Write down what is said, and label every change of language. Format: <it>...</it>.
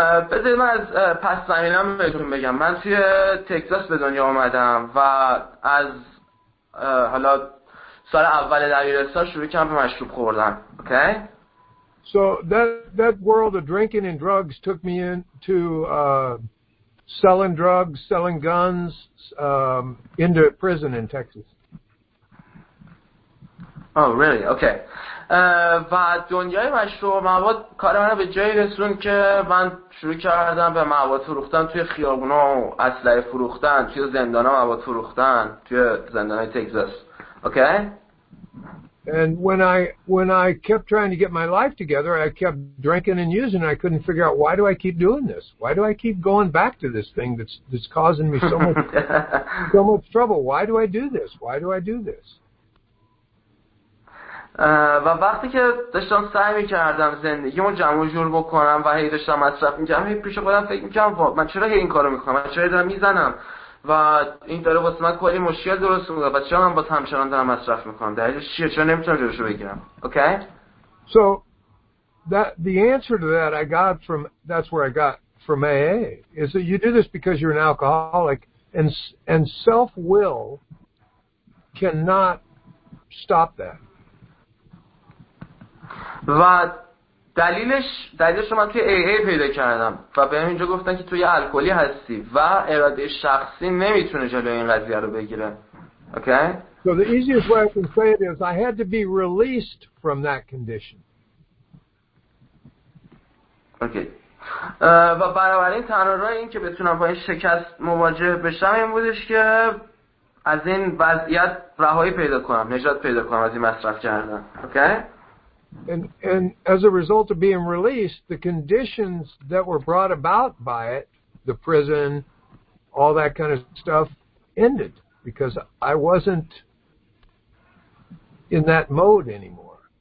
<fa>بذارید من از پس زمینه هم بهتون بگم. من توی تکساس به دنیا آمدم و از حالا سال اول دبیرستان شروع کردم به مشروب خوردن.</fa> <en>Okay? So that world of drinking and drugs took me into selling drugs, selling guns, into prison in Texas. Oh, really? Okay.</en> <fa>و دنیای مشروب مواد کار منو به جایی رسوند که من شروع کردم به مواد فروختن توی خیابونا و اسلحه فروختن توی زندان ها، مواد فروختن توی زندان های تگزاس.</fa> <en>Okay? And when I kept trying to get my life together, I kept drinking and using. I couldn't figure out, why do I keep doing this? Why do I keep going back to this thing that's causing me so much trouble? Why do I do this? Why do I do this?</en> <fa>و وقتی که داشتم سعی می‌کردم زندگیمو جمع و جور بکنم و هی داشتم مصرف می‌کردم، هی پیش خودم فکر می‌کردم من چرا هی این کارو می‌کنم؟ من چرا دارم می‌زنم؟ و این داره واسه من کلی مشکل درست میکنه و چرا من با همچنان دارم مصرف میکنم، دلیلش چیه؟ چرا نمیتونم جلوشو بگیرم؟ اوکی؟</fa> <en>So that the answer to that I got from that's where I got from AA is that you do this because you're an alcoholic and self will cannot stop that.</en> <fa>و دلیلش رو من توی AA پیدا کردم و به اینجا گفتن که توی الکلی هستی و اراده شخصی نمیتونه جلوی این قضیه رو بگیره.</fa> <en>Okay? So the easiest way I can say it is I had to be released from that condition. Okay.</en> <fa>و برابر این تنها راه این که بتونم با این شکست مواجه بشم این بودش که از این وضعیت رهایی پیدا کنم، نجات پیدا کنم از این مصرف کردن.</fa> <en>Okay? And as a result of being released, the conditions that were brought about by it, the prison, all that kind of stuff, ended because I wasn't in that mode anymore.</en>